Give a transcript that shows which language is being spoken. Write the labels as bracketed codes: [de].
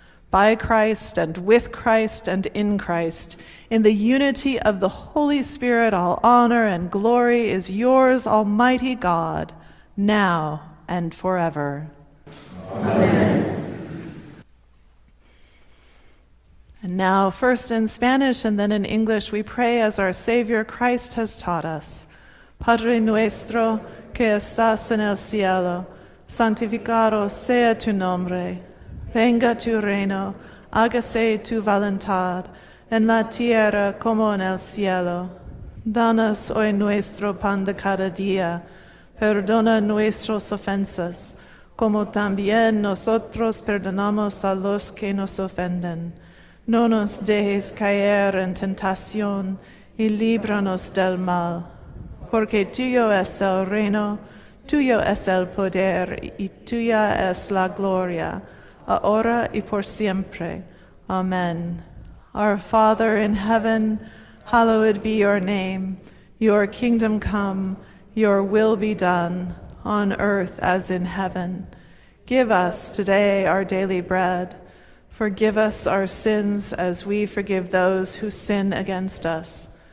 [en] By Christ, and with Christ, and in Christ, in the unity of the Holy Spirit, all honor and glory is yours, Almighty God, now and forever. Amen. And now, first in Spanish and then in English, we pray as our Savior Christ has taught us. [es] Padre nuestro que estás en el cielo, santificado sea tu nombre. Venga tu reino, hágase tu voluntad, en la tierra como en el cielo. Danos hoy nuestro pan de cada día. Perdona nuestras ofensas, como también nosotros perdonamos a los que nos ofenden. No nos dejes caer en tentación, y líbranos del mal. Porque tuyo es el reino, tuyo es el poder, y tuya es la gloria, ahora y por siempre. Amen. [en] Our Father in heaven, hallowed be your name. Your kingdom come, your will be done, on earth as in heaven. Give us today our daily bread. Forgive us our sins as we forgive those who sin against us.